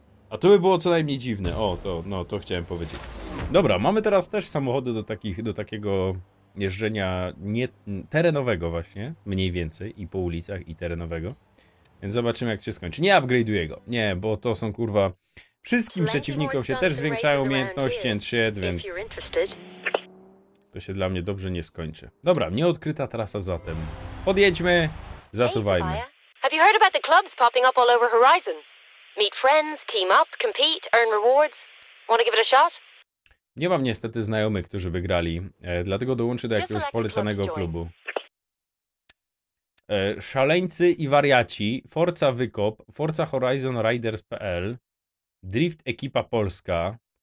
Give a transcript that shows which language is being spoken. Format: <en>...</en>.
<pl>A to by było co najmniej dziwne. O, to, no, to chciałem powiedzieć. Dobra, mamy teraz też samochody do takich, do takiego jeżdżenia nie, terenowego właśnie, mniej więcej, i po ulicach, i terenowego. Więc zobaczymy, jak się skończy. Nie upgrade'uję go. Nie, bo to są, kurwa, wszystkim przeciwnikom się też zwiększają umiejętności N3, więc... To się dla mnie dobrze nie skończy. Dobra, nieodkryta trasa zatem. Podjedźmy, zasuwajmy.</pl> <en>Have you heard about the clubs popping up all over Horizon? Meet friends, team up, compete, earn rewards. Wanna give it a shot?</en> <pl>Nie mam niestety znajomych, którzy by grali, dlatego dołączę do jakiegoś polecanego klubu. Szaleńcy i wariaci, Forza Wykop, Forza Horizon Riders.pl, Drift Ekipa Polska.</pl>